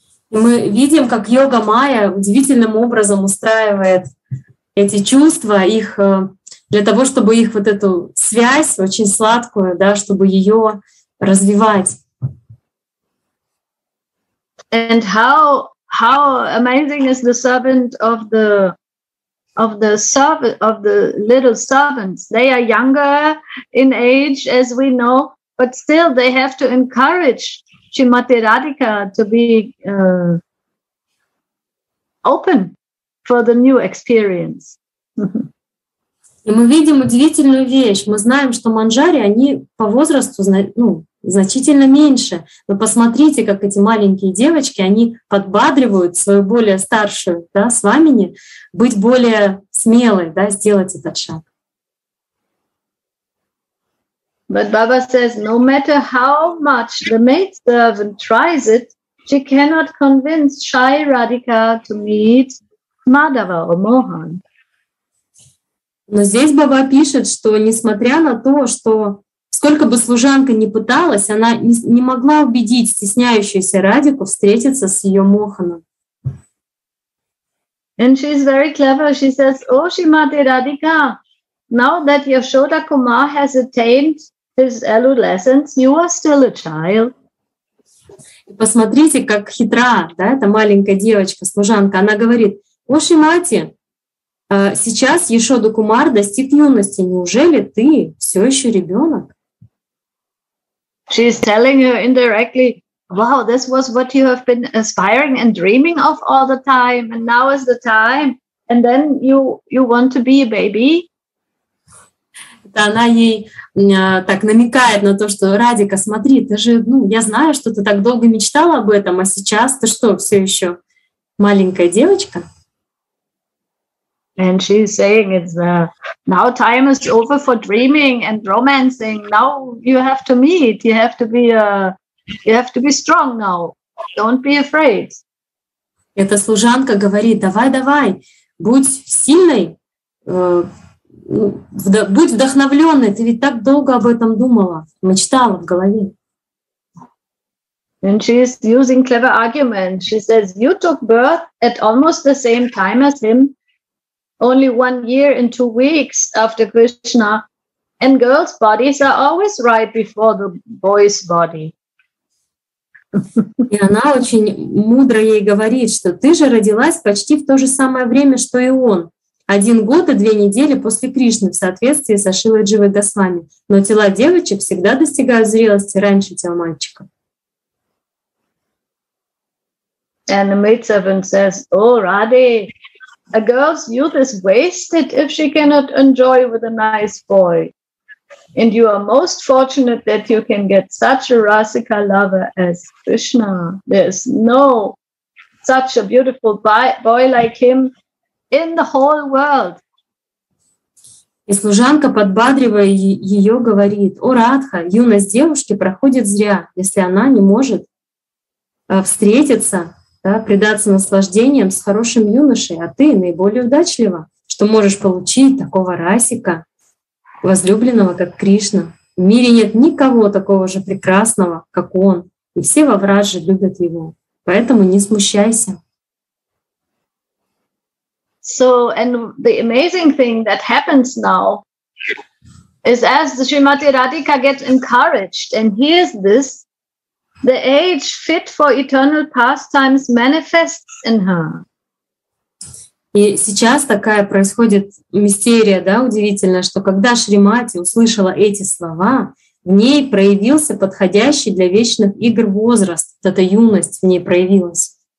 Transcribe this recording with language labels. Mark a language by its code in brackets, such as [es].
[ru] И мы видим, как Йога Майя удивительным образом устраивает эти чувства, их для того, чтобы их вот эту связь очень сладкую, да, чтобы ее развивать. [en] And how amazing is the servant of the little servants? They are younger in age, as we know, but still they have to encourage Shrimati Radhika to be open for the new experience. [ru] И мы видим удивительную вещь. Мы знаем, что манджари, они по возрасту, ну, значительно меньше. Но посмотрите, как эти маленькие девочки, они подбадривают свою более старшую, да, свамини быть более смелой, да, сделать этот шаг. [en] But Baba says, no matter how much the maid servant tries it, she cannot convince shy Radhika to meet Madhava or Mohan. [ru] Но здесь Баба пишет, что несмотря на то, что сколько бы служанка ни пыталась, она не могла убедить стесняющуюся Радику встретиться с ее Моханом. [en] And she is very clever. She says, "Oh, Shrimati Radhika, now that Yashoda Kumar has attained his adolescence, you are still a child." [ru] И посмотрите, как хитра, да, эта маленькая девочка, служанка. Она говорит: "О, Шимати, сейчас Яшода Кумар достиг юности. Неужели ты все еще ребенок?" [en] She is telling her indirectly, "Wow, this was what you have been aspiring and dreaming of all the time, and now is the time, and then you want to be a baby." [ru] она ей так намекает на то, что Радика, смотри, ты же, ну, я знаю, что ты так долго мечтала об этом, а сейчас ты что, все еще маленькая девочка? [en] And she's saying it's now time is over for dreaming and romancing. Now you have to meet. You have to be strong now. Don't be afraid. [ru] Эта служанка говорит: давай, давай, будь сильной, будь вдохновленной. Ты ведь так долго об этом думала, мечтала в голове. [en] And she's using clever argument. She says you took birth at almost the same time as him. Only 1 year and 2 weeks after Krishna, and girls' bodies are always right before the boy's body. [ru] И она очень мудро ей говорит, что ты же родилась почти в то же самое время, что и он. 1 год и 2 недели после Кришны в соответствии со Шрилой Дживой Госвами. Но тела девочек всегда достигают зрелости раньше тел мальчиков. [en] And the maidservant says, oh, Radhe, a girl's youth is wasted if she cannot enjoy with a nice boy. And you are most fortunate that you can get such a Rasika lover as Krishna. There's no such a beautiful boy like him in the whole world. [ru] И служанка, подбадривая ее, говорит: о, Радха, юность девушки проходит зря, если она не может встретиться, да, предаться наслаждениям с хорошим юношей, а ты наиболее удачлива, что можешь получить такого Расика, возлюбленного, как Кришна. В мире нет никого такого же прекрасного, как он, и все во Враже любят его. Поэтому не смущайся. [en] So, and the amazing thing that happens now is as the Srimati Radhika gets encouraged and hears this, the age fit for eternal pastimes manifests in her. [ru] И сейчас такая происходит мистерия, да, удивительно, что когда Шримати услышала эти слова, в ней проявился подходящий для вечных игр возраст. Вот эта юность в ней проявилась.